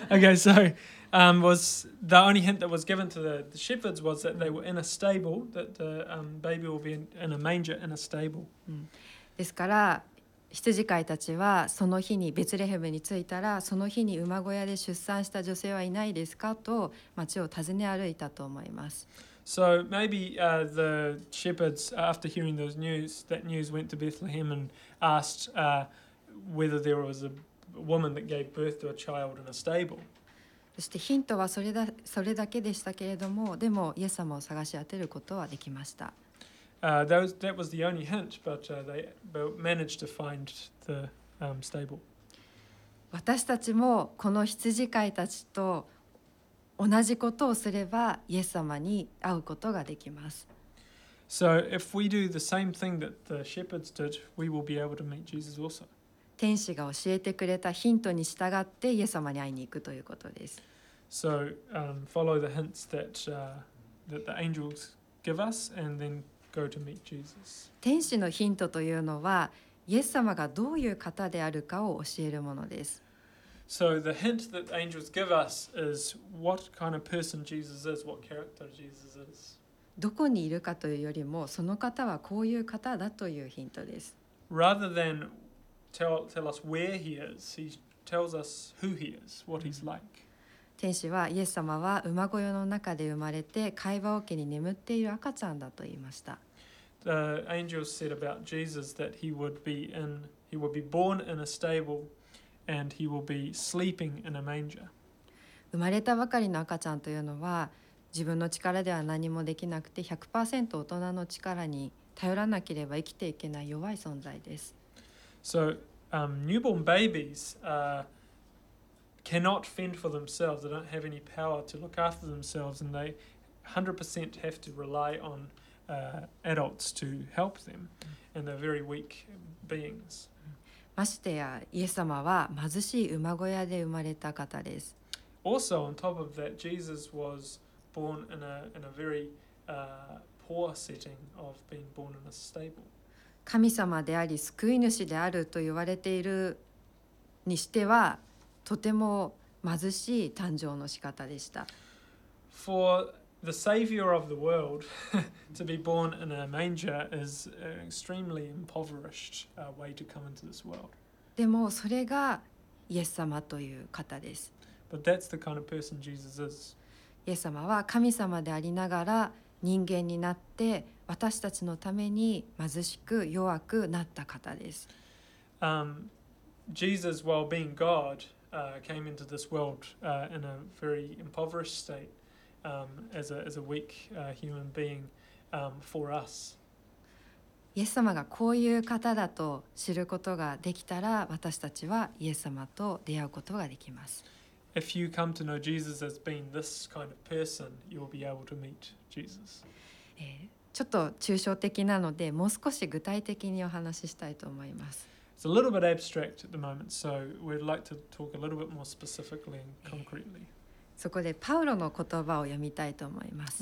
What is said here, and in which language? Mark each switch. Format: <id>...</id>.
<en>Okay, so was the only hint that was given to the shepherds was that they were in a stable, that the baby will be in a manger in a stable.</en> <ja>ですから羊飼いたちはその日にベツレヘムに着いたら、その日に馬小屋で出産した女性はいないですかと町を訪ね歩いたと思います。</ja> <en>So maybe the shepherds after hearing those news, that news went to Bethlehem and asked whether there was a woman that gave birth to a child in a stable.</en> <ja>そしてヒントはそれだけでしたけれども、でもイエス様を探し当てることはできました。</ja> <en>That was the only hint, but they managed to find the stable.</en> <ja>私たちもこの羊飼いたちと同じことをすれば、イエス様に会うことができます。</ja> <en>So if we do the same thing that the shepherds did, we will be able to meet Jesus also.</en> <ja>天使が教えてくれたヒントに従ってイエス様に会いに行くということです。</ja> <en>So follow the hints that that the angels give us, and then. Go to meet Jesus.</en> <ja>天使のヒントというのは、イエス様がどういう方であるかを教えるものです。</ja> <en>So the hint that angels give us is what kind of person Jesus is, what character Jesus is.</en> <ja>どこにいるかというよりも、その方はこういう方だというヒントです。</ja> <en>Rather than tell us where he is, he tells us who he is, what he's like.</en> <ja>天使はイエス様は馬小屋の中で生まれて会話桶に眠っている赤ちゃんだと言いました。</ja> <en>The angels said about Jesus that he would be born in a stable and he will be sleeping in a manger.</en> <ja>生まれたばかりの赤ちゃんというのは自分の力では何もできなくて 100% 大人の力に頼らなければ生きていけない弱い存在です。</ja> <en>So, newborn babies cannot fend for themselves. They don't have any power to look after themselves and they 100% have to rely on adults to help them. And they're very weak beings.</en> <ja>ましてや、イエス様は貧しい馬小屋で生まれた方です。</ja> <en>Also, on top of that, Jesus was born in a very poor setting of being born in a stable.</en> <ja>神様であり救い主であると言われているにしてはとても貧しい誕生の仕方でした。</ja> <en>For the savior of the world to be born in a manger is an extremely impoverished way to come into this world.</en> <ja>でもそれがイエス様という方です。</ja> <en>But that's the kind of person Jesus is.</en> <ja>イエス様は神様でありながら人間になって私たちのために貧しく弱くなった方です。</ja> <en>Jesus, while being God, came into this world in a very impoverished state as a weak human being for us.</en> <ja>イエス様がこういう方だと知ることができたら私たちはイエス様と出会うことができます。</ja> <en>If you come to know Jesus as being this kind of person, you'll be able to meet Jesus.</en> <ja>ちょっと抽象的なので、もう少し具体的にお話ししたいと思います。</ja> <en>It's a little bit abstract at the moment, so we'd like to talk a little bit more specifically and concretely.</en> <ja>そこでパウロの言葉を読みたいと思います。</ja>